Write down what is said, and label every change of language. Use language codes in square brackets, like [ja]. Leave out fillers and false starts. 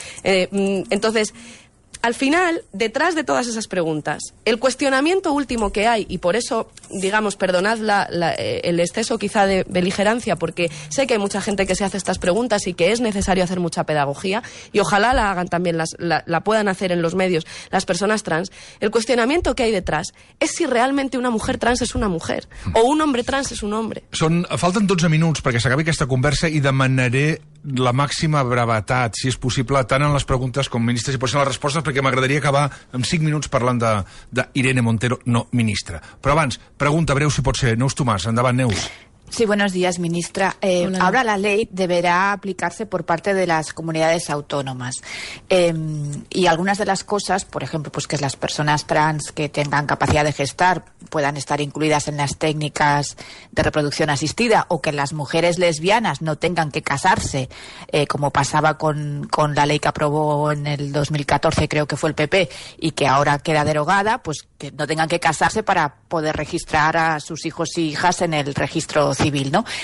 [es] Entonces, al final, detrás de todas esas preguntas, el cuestionamiento último que hay, y por eso, digamos, perdonad el exceso quizá de beligerancia, porque sé que hay mucha gente que se hace estas preguntas y que es necesario hacer mucha pedagogía, y ojalá la hagan también, la puedan hacer en los medios las personas trans, el cuestionamiento que hay detrás es si realmente una mujer trans es una mujer, o un hombre trans es un hombre. [ca] Falten 12 minuts perquè s'acabi aquesta conversa i demanaré la màxima brevetat, si és possible, tant en les preguntes com ministres, si pot ser les respostes, perquè m'agradaria acabar en 5 minuts parlant de Irene Montero, no ministra. Però abans, pregunta breu, si pot ser. Neus Tomàs, endavant, Neus. [es] Sí, buenos días, ministra. Ahora la ley deberá aplicarse por parte de las comunidades autónomas. Y algunas de las cosas, por ejemplo, pues que las personas trans que tengan capacidad de gestar puedan estar incluidas en las técnicas de reproducción asistida, o que las mujeres lesbianas no tengan que casarse, como pasaba con la ley que aprobó en el 2014, creo que fue el PP, y que ahora queda derogada, pues que no tengan que casarse para poder registrar a sus hijos y hijas en el registro civil, ¿no?